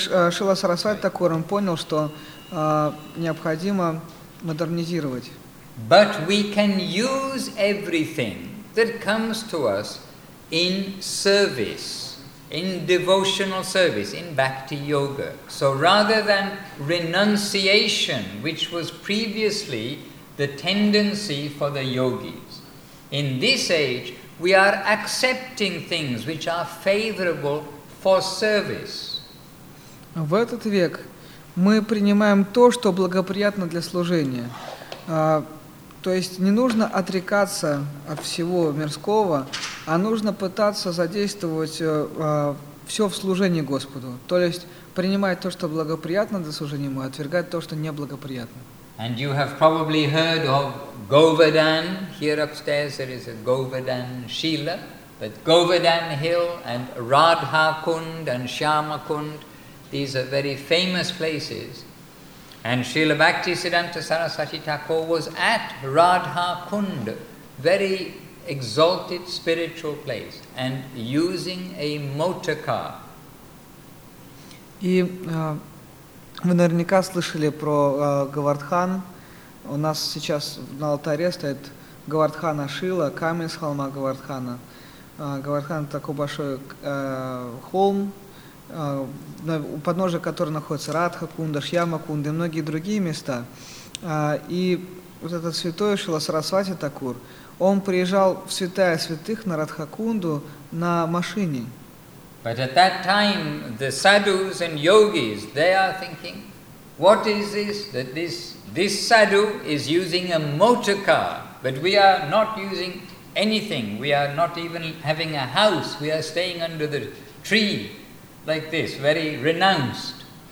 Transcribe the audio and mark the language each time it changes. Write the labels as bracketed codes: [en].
[ru] Шрила Сарасвати Такур понял, что необходимо модернизировать. [en] But we can use everything that comes to us in service. In devotional service, in bhakti yoga. So rather than renunciation, which was previously the tendency for the yogis, In this age, we are accepting things which are favorable for service. [ru] В этот век мы принимаем то, что благоприятно для служения. То есть не нужно отрекаться от всего мирского, а нужно пытаться задействовать все в служении Господу. То есть принимать то, что благоприятно для служения, и отвергать то, что неблагоприятно. [en] And you have probably heard of Govardhan. Here upstairs there is a Govardhan Shila. But Govardhan Hill and Radhakund and Shyamakund, these are very famous places. And Srila Bhaktisiddhanta Sarasvati Thakur was at Radha Kund, very exalted spiritual place, and using a motor car. [ru] И вы наверняка слышали про Говардхан. У нас сейчас на алтаре стоит Говардхана Шила, камень с холма Говардхана. Говардхан — это такой большой холм, у подножия которого находится Радха Кунда, Шьяма Кунда и многие другие места. И вот этот святой Шрила Сарасвати Такур, он приезжал в святая святых на Радха Кунду на машине. [en] But at that time the sadhus and yogis, they are thinking, what is this, that this sadhu is using a motor car, but we are not using anything, we are not even having a house, we are staying under the tree like this, very renounced.